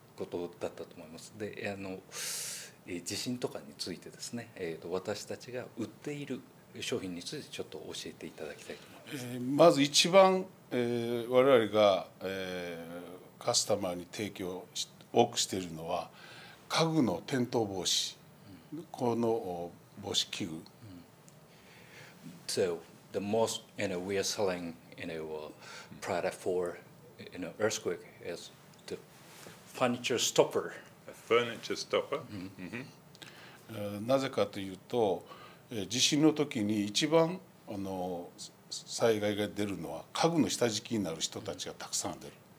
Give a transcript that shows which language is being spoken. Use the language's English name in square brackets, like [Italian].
[Japanese] 地震とかについてですね、私たちが売っている商品についてちょっと教えていただきたいと思います。まず一番、我々が、カスタマーに提供多くしているのは家具の転倒防止、この防止器具。 [English] So the most we are selling product for earthquake is the furniture stopper. Furniture stopper. [Japanese] なぜかというと、地震の時に一番災害が出るのは家具の下敷きになる人たちがたくさん出る。